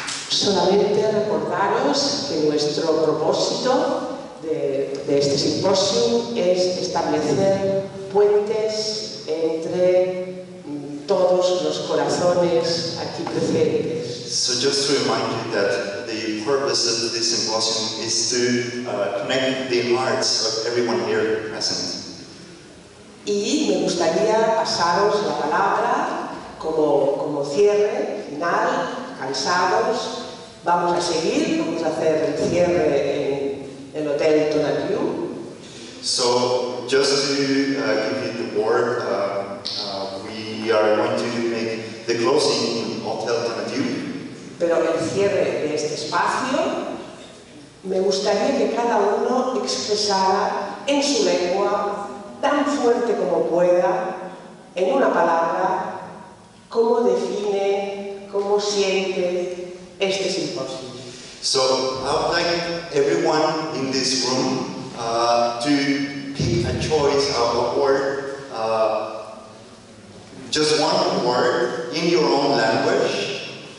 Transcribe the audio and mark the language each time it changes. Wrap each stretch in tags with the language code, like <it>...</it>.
<es>Solamente recordaros que nuestro propósito de este simposio es establecer puentes entre todos los corazones aquí presentes.</es> <en>So just to remind you that the purpose of this symposium is to connect the hearts of everyone here present.</en> <es>Y me gustaría pasaros la palabra como cierre final, cansados. Vamos a seguir, vamos a hacer el cierre en el hotel Tonalview.</es> <en>So, just to give you the word, we are going to make the closing in Hotel Tonalview.</en> <es>Pero el cierre de este espacio, me gustaría que cada uno expresara en su lengua, tan fuerte como pueda, en una palabra, cómo define, cómo siente. Este</es> <en>so, I would like everyone in this room to pick a choice of a word, just one word in your own language.</en>